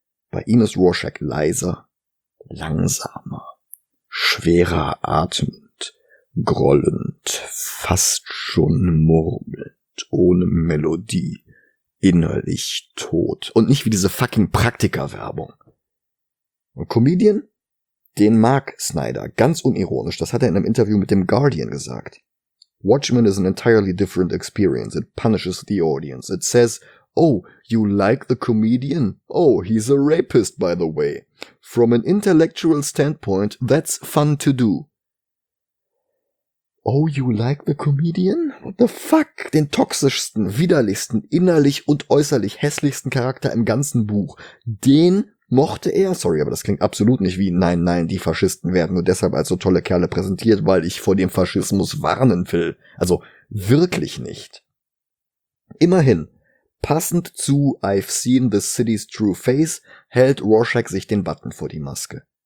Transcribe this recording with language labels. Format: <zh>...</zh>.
<de>Bei ihm ist Rorschach leiser, langsamer, schwerer atmend, grollend, fast schon murmelnd, ohne Melodie, innerlich tot. Und nicht wie diese fucking Praktika-Werbung. Und Comedian? Den mag Snyder, ganz unironisch, das hat er in einem Interview mit dem Guardian gesagt.</de> <en>"Watchmen is an entirely different experience. It punishes the audience. It says, oh, you like the comedian? Oh, he's a rapist, by the way. From an intellectual standpoint, that's fun to do." Oh, you like the comedian? What the fuck?</en> <de>Den toxischsten, widerlichsten, innerlich und äußerlich hässlichsten Charakter im ganzen Buch. Den mochte er, sorry, aber das klingt absolut nicht wie, nein, nein, die Faschisten werden nur deshalb als so tolle Kerle präsentiert, weil ich vor dem Faschismus warnen will. Also wirklich nicht. Immerhin, passend zu</de> <en>"I've seen the city's true face"</en> <de>hält Rorschach sich den Button vor die Maske.</de>